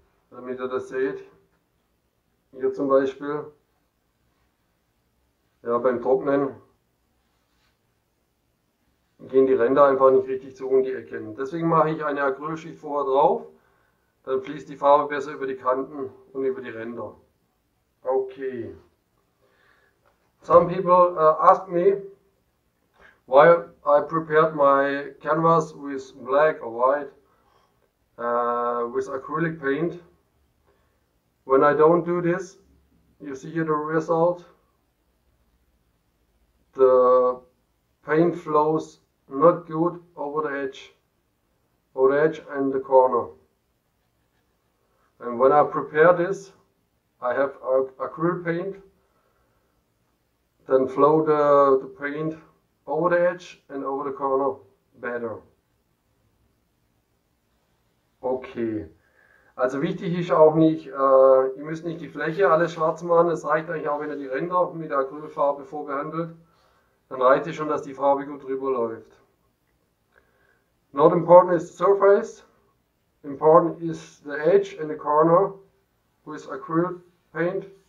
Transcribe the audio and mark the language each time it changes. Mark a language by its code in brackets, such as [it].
[de] Damit ihr das seht, hier zum Beispiel, ja, beim Trocknen gehen die Ränder einfach nicht richtig zu um die Ecken. Deswegen mache ich eine Acrylschicht vorher drauf, dann fließt die Farbe besser über die Kanten und über die Ränder. Okay. [en] Some people ask me, why I prepared my canvas with black or white, with acrylic paint. When I don't do this, you see here the result. The paint flows not good over the edge and the corner. And when I prepare this, I have acrylic paint, then flow the paint over the edge and over the corner better. Okay. [de] Also wichtig ist auch nicht, ihr müsst nicht die Fläche alles schwarz machen. Es reicht eigentlich auch, wenn ihr die Ränder mit der Acrylfarbe vorbehandelt. Dann reicht es schon, dass die Farbe gut drüber läuft. [en] Not important is the surface. Important is the edge and the corner with acrylic paint.